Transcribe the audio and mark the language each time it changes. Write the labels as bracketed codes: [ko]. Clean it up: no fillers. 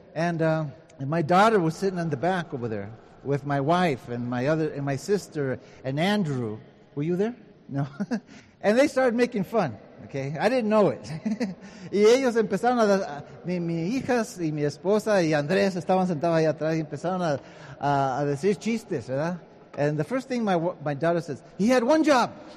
[en] And my daughter was sitting in the back over there with my wife and my sister and Andrew. Were you there? No. And they started making fun. Okay, I didn't know it. [es] Y ellos empezaron mi hijas y mi esposa y Andrés estaban sentados ahí atrás y empezaron a decir chistes, ¿verdad? [en] And the first thing my daughter says, he had one job.